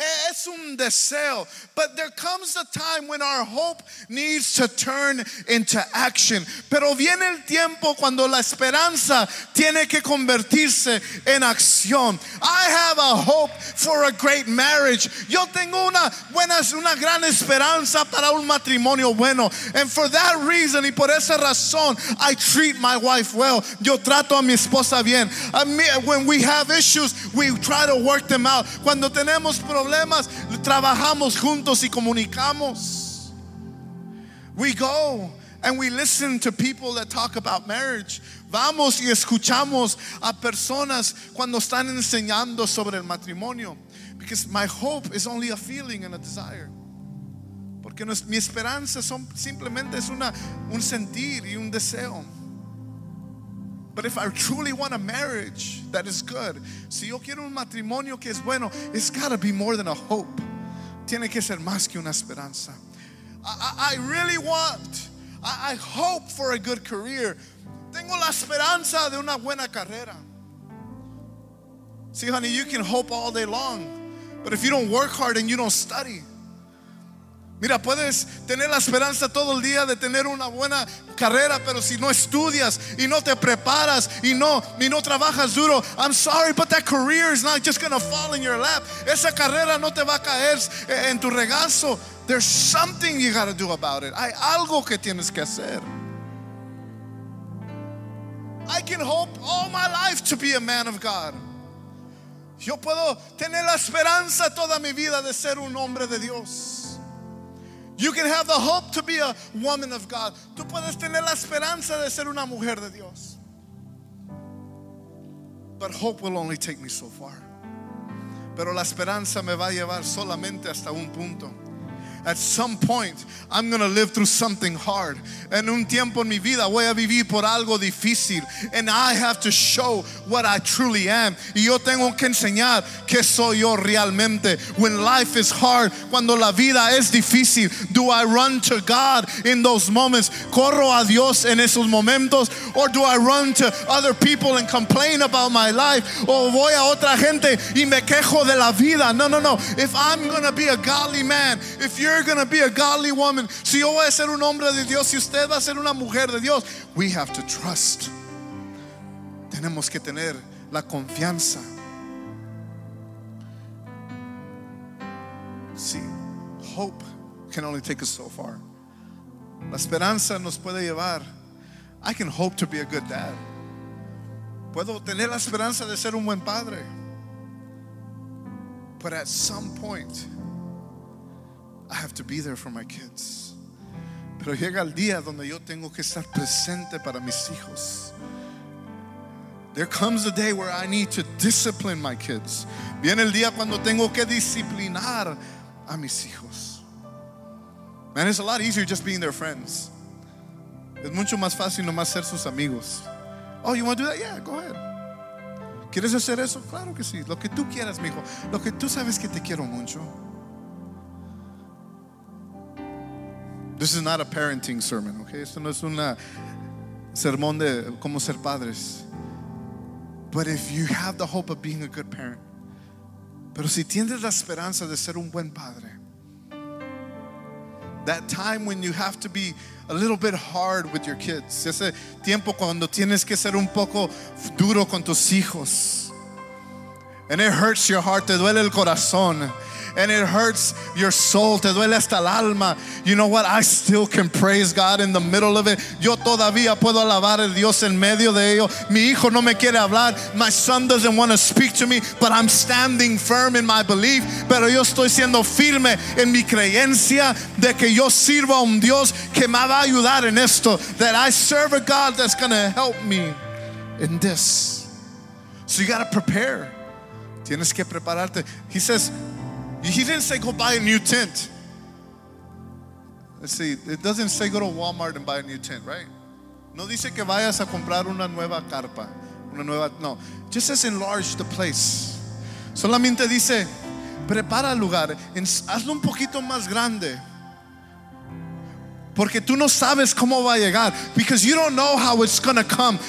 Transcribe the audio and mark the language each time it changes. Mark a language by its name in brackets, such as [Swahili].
[Spanish] Es un deseo. [English] But there comes a time when our hope needs to turn into action. [Spanish] Pero viene el tiempo cuando la esperanza tiene que convertirse en acción. I have a hope for a great marriage. Yo tengo una gran esperanza para un matrimonio bueno. [English] And for that reason, y por esa razón, I treat my wife well. [Spanish] Yo trato a mi esposa bien. [English] When we have issues, we try to work them out. Cuando tenemos problemas, trabajamos juntos y comunicamos. We go and we listen to people that talk about marriage. [Spanish] Vamos y escuchamos a personas cuando están enseñando sobre el matrimonio. [English] Because my hope is only a feeling and a desire. [Spanish] Porque mi esperanza simplemente es un sentir y un deseo. [English] But if I truly want a marriage that is good, si yo quiero un matrimonio que es bueno, it's got to be more than a hope. [Spanish] Tiene que ser más que una esperanza. I hope for a good career. Tengo la esperanza de una buena carrera. [English] See, honey, you can hope all day long. But if you don't work hard and you don't study. [Spanish] Mira, puedes tener la esperanza todo el día de tener una buena carrera, pero si no estudias y no te preparas y no trabajas duro, I'm sorry, but that career is not just going to fall in your lap. Esa carrera no te va a caer en tu regazo. [English] There's something you got to do about it. [Spanish] Hay algo que tienes que hacer. [English] I can hope all my life to be a man of God. [Spanish] Yo puedo tener la esperanza toda mi vida de ser un hombre de Dios. [English] You can have the hope to be a woman of God. [Spanish] Tú puedes tener la esperanza de ser una mujer de Dios. But hope will only take me so far. Pero la esperanza me va a llevar solamente hasta un punto. [English] At some point, I'm going to live through something hard. [Spanish] En un tiempo en mi vida, voy a vivir por algo difícil. [English] And I have to show what I truly am. [Spanish] Y yo tengo que enseñar que soy yo realmente. [English] When life is hard, cuando la vida es difícil, do I run to God in those moments? [Spanish] ¿Corro a Dios en esos momentos? [English] Or do I run to other people and complain about my life? [Spanish] ¿O voy a otra gente y me quejo de la vida? [English] No. If I'm going to be a godly man, if you're going to be a godly woman, si yo voy a ser un hombre de Dios, si usted va a ser una mujer de Dios, we have to trust. [Spanish] Tenemos que tener la confianza. [English] See, hope can only take us so far. La esperanza nos puede llevar. I can hope to be a good dad. Puedo tener la esperanza de ser un buen padre. But at some point, I have to be there for my kids. [Spanish] Pero llega el día donde yo tengo que estar presente para mis hijos. [English] There comes a day where I need to discipline my kids. [Spanish] Viene el día cuando tengo que disciplinar a mis hijos. [English] Man, it's a lot easier just being their friends. [Spanish] Es mucho más fácil nomás ser sus amigos. Oh, you want to do that? Yeah, go ahead. ¿Quieres hacer eso? Claro que sí. Lo que tú quieras, mijo. Lo que tú sabes que te quiero mucho. This is not a parenting sermon, okay? Esto no es una sermón de cómo ser padres. But if you have the hope of being a good parent, [English] pero si tienes la esperanza de ser un buen padre, [Spanish] that time when you have to be a little bit hard with your kids, [English] ese tiempo cuando tienes que ser un poco duro con tus hijos, [Spanish] and it hurts your heart, [English] te duele el corazón, [Spanish] and it hurts your soul, [English] te duele hasta el alma. [Spanish] You know what? [English] I still can praise God in the middle of it. [Spanish] Yo todavía puedo alabar a Dios en medio de ello. Mi hijo no me quiere hablar. [English] My son doesn't want to speak to me, but I'm standing firm in my belief. [Spanish] Pero yo estoy siendo firme en mi creencia de que yo sirvo a un Dios que me va a ayudar en esto. [English] That I serve a God that's going to help me in this. So you got to prepare. Tienes que prepararte. He says, he didn't say go buy a new tent. Let's see, it doesn't say go to Walmart and buy a new tent, right? [Spanish] No dice que vayas a comprar una nueva carpa, una nueva, no. Just says enlarge the place. Solamente dice, prepara el lugar, hazlo un poquito más grande. Porque tú no sabes cómo va a llegar. [English] Because you don't know how it's going to come.